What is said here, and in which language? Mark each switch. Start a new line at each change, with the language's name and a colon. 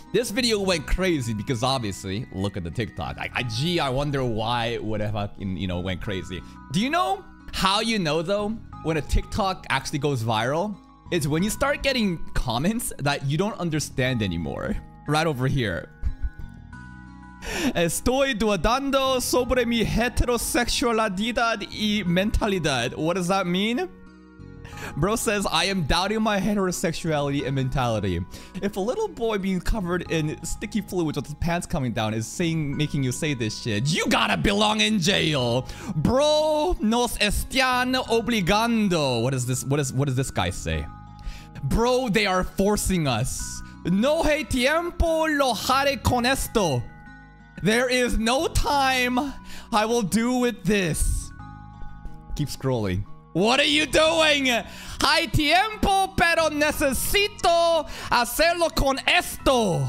English: This video went crazy because obviously, look at the TikTok. I wonder why it would have fucking, you know, went crazy. Do you know how you know though, when a TikTok actually goes viral? It's when you start getting comments that you don't understand anymore. Right over here.
Spanish: Estoy dudando sobre mi heterosexualidad y mentalidad.
English: What does that mean? Bro says, I am doubting my heterosexuality and mentality. If a little boy being covered in sticky fluids with his pants coming down is saying, making you say this shit, you gotta belong in jail.
Spanish: Bro, nos están obligando.
English: What does this guy say? Bro, they are forcing us.
Spanish: No hay tiempo, lo haré con esto.
English: There is no time I will do with this. Keep scrolling. What are you doing?
Spanish: Hay tiempo, pero necesito hacerlo con esto.